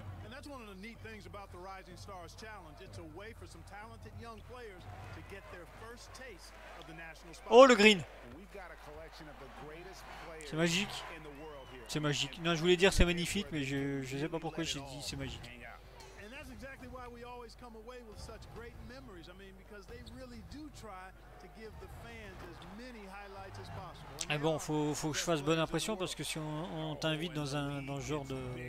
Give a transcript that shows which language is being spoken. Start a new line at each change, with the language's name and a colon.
English: That's one of the neat things about the Rising Stars Challenge. It's a way for some talented young players to get their first taste of the national spotlight.
French: Oh, le green.
English: We've got a collection of the greatest players.
French: C'est magique. C'est magique. Non, je voulais dire c'est magnifique, mais je sais pas pourquoi j'ai dit c'est magique.
English: And that's exactly why we always come away with such great memories. I mean, because they really do try to give the fans as many highlights as possible.
French: Et bon, faut que je fasse bonne impression parce que si on t'invite dans ce genre de...